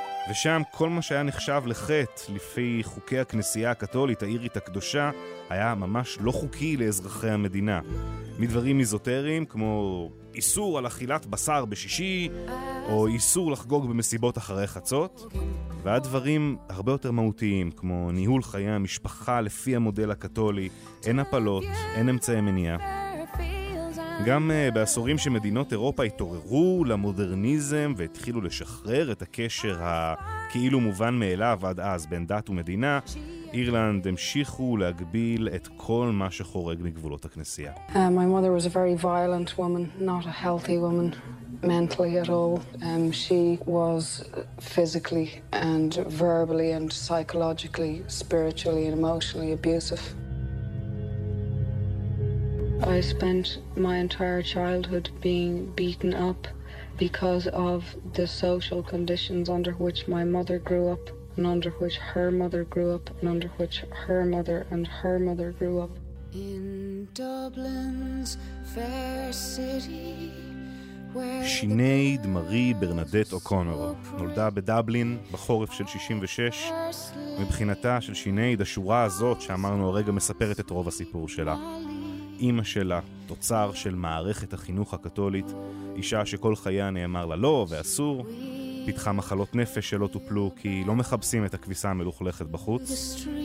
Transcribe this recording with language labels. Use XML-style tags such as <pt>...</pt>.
<he>ושם כל מה שהיה נחשב לחטא לפי חוקי הכנסייה הקתולית האירית הקדושה היה ממש לא חוקי לאזרחי המדינה, מדברים איזוטריים כמו איסור על אכילת בשר בשישי או איסור לחגוג במסיבות אחרי חצות, ועד דברים הרבה יותר מהותיים כמו ניהול חיי המשפחה לפי המודל הקתולי, אין הפלות, אין אמצעי מניעה. גם בעשורים שמדינות אירופה התעוררו למודרניזם והתחילו לשחרר את הקשר הכאילו מובן מאליו עד אז בין דת ומדינה, אירלנד המשיכו להגביל את כל מה שחורג מגבולות הכנסייה.</he> <en>My mother was a very violent woman, not a healthy woman mentally at all. She was physically and verbally and psychologically, spiritually and emotionally abusive. I spent my entire childhood being beaten up because of the social conditions under which my mother grew up. and under which her mother grew up and under which her mother and her mother grew up. In Dublin's fair city</en> <he>שיני דמרי ברנדט אוקונור נולדה בדבלין בחורף של 66. מבחינתה של שיני, השורה הזאת שאמרנו הרגע מספרת את רוב הסיפור שלה. אימא שלה, תוצר של מערכת החינוך הקתולית, אישה שכל חייה נאמר לה לא ואסור, פיתחה מחלות נפש שלא טופלו כי לא מחפשים את הכביסה המלוכלכת בחוץ.</he>